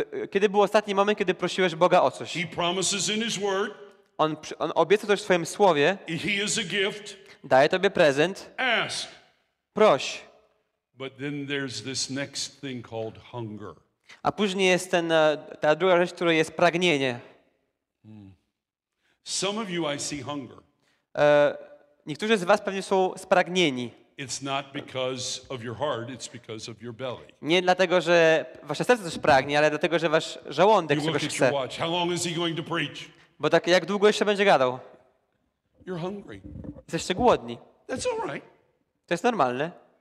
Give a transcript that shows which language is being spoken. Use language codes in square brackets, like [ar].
[pl] Kiedy był ostatni moment, kiedy prosiłeś Boga o coś? [en] He promises in his word, [pl] on obiecał coś w swoim słowie. [en] He is a gift. [pl] Daje tobie prezent. [en] Ask. [pl] Proś. [en] But then there's this next thing called hunger. [pl] A później jest ta druga rzecz, która jest pragnienie. [en] Some of you I see hunger. [pl] Niektórzy z was pewnie są spragnieni. [en] It's not because of your heart, it's because of your belly. [pl] Nie dlatego, że wasze serce coś pragnie, ale dlatego, że wasz żołądek coś chce. [en] How long is he going to preach? [pl] Bo tak, jak długo jeszcze będzie gadał? [en] You're hungry. [pl] Jesteście głodni. [en] That's all right. [pl] To jest normalne.